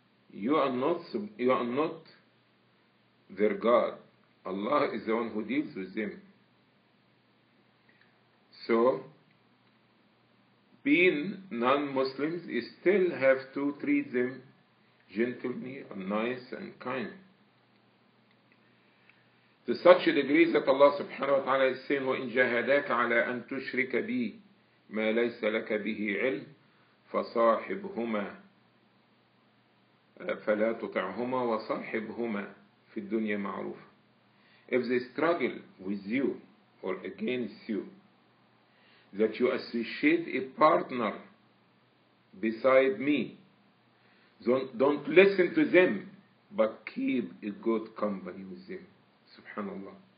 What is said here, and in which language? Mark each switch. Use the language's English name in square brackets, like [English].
[English] You are not their God. Allah is the one who deals with them. So, being non-Muslims, you still have to treat them gently and nice and kind. To such a degree that Allah subhanahu wa ta'ala is saying, [Arabic] وَإِن جَهَدَاكَ عَلَىٰ أَن تُشْرِكَ بِي مَا لَيْسَ لَكَ بِهِ عِلْمٍ فَصَاحِبْهُمَا فَلَا تُطَعْهُمَا وَصَاحِبْهُمَا فِي الدُّنْيَا مَعْرُوفًا. [English] If they struggle with you or against you, that you associate a partner beside me, don't listen to them, but keep a good company with them. SubhanAllah.